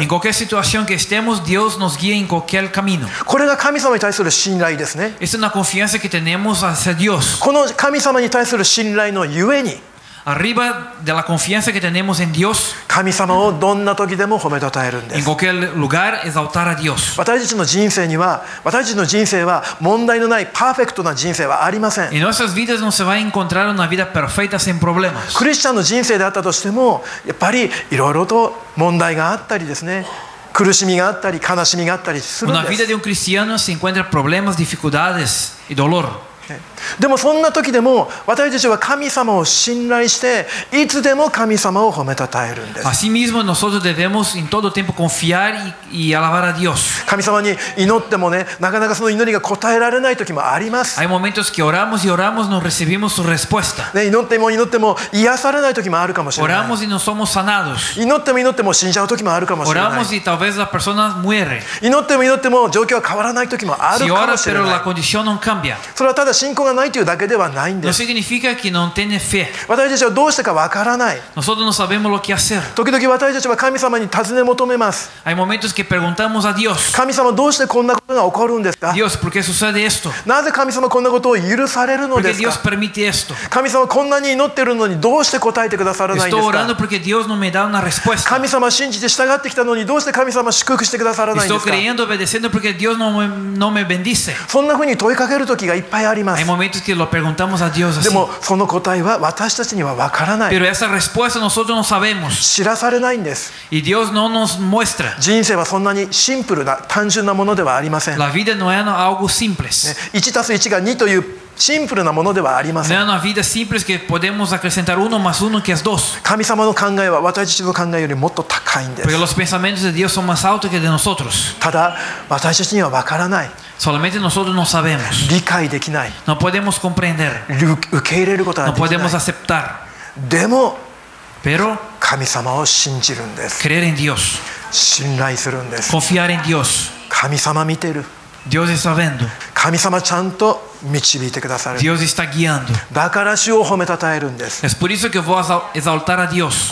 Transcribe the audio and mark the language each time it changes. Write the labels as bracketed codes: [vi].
[es] En cualquier situación que estemos, Dios nos guía en cualquier camino. [ja] これが神様に対する信頼ですね。 [es] Es una confianza que tenemos hacia Dios. [ja] この神様に対する信頼のゆえに、 [es] arriba de la confianza que tenemos en Dios, [ja] 神様をどんな時でも褒めたたえるんです。 [es] En cualquier lugar, exaltar a Dios. [ja] 私たちの人生は問題のないパーフェクトな人生はありません。 [es] En nuestras vidas no se va a encontrar una vida perfecta sin problemas. [ja] クリスチャンの人生であったとしても、やっぱりいろいろと問題があったりですね。苦しみがあったり悲しみがあったりするんです。 [es] Una vida de un cristiano se encuentra problemas, dificultades y dolor. [ja] でもそんな時でも私たちは神様を信頼していつでも神様を褒めたたえるんです。 [es] Asimismo nosotros debemos en todo tiempo confiar y alabar a Dios. [ja] 神様に祈ってもね、なかなかその祈りが答えられない時もあります。 [es] Hay momentos que oramos y oramos no recibimos su respuesta. [ja] 祈っても祈っても癒されない時もあるかもしれない。 [es] Oramos y no somos sanados. [ja] 祈っても祈っても死んじゃう時もあるかもしれない。 [es] Oramos y tal vez la persona muere. [ja] 祈っても祈っても状況は変わらない時もあるかもしれない。 [es] Si ora pero la condición no cambia. [ja] それはただ信仰がないというだけではないんです。 [es] No significa que no tiene fe. [ja] 私たちはどうしてかわからない。 [es] Nosotros no sabemos lo que hacer. [ja] 時々私たちは神様に尋ね求めます。 [es] Hay momentos que preguntamos a Dios. [ja] 神様どうしてこんなことが起こるんですか。 [es] Dios, ¿por qué sucede esto? [ja] なぜ神様こんなことを許されるのですか。 [es] Porque Dios permite esto. [ja] 神様こんなに祈ってるのにどうして答えてくださらないんですか。 [es] Estoy orando porque Dios no me da una respuesta. [ja] 神様信じて従ってきたのにどうして神様祝福してくださらないんですか。 [es] Estoy creyendo, obedeciendo porque Dios no me bendice. [ja] そんな風に問いかける時がいっぱいあります。 [es] Hay momentos que lo preguntamos a Dios así. [ja] でもその答えは私たちには分からない。 [es] Pero esa respuesta nosotros no sabemos. [ja] 知らされないんです。 [es] Y Dios no nos muestra. [ja] 人生はそんなにシンプルな単純なものではありません。 [es] La vida no es algo simple. [ja] 1たす1が2というシンプルなものではありません。 [es] No es una vida simple que podemos acrecentar uno más uno que es dos. [ja] 神様の考えは私たちの考えよりもっと高いんです。 [es] Porque los pensamientos de Dios son más altos que de nosotros. [ja] ただ私たちには分からない。 [es] Solamente nosotros no sabemos. [ja] 理解できない。 [es] No podemos comprender. [ja] 受け入れることはできない。 [es] No podemos aceptar. [ja] でも、 [es] Pero, [ja] 神様を信じるんです。 [es] Creer en Dios. [ja] 信頼するんです。 [es] Confiar en Dios. [ja] 神様見てる。 [es] Dios está viendo. [ja] 神様ちゃんと導いてくださる。 [es] Dios está guiando. [ja] だから主を褒めたたえるんです。 [es] Es por eso que voy a exaltar a Dios.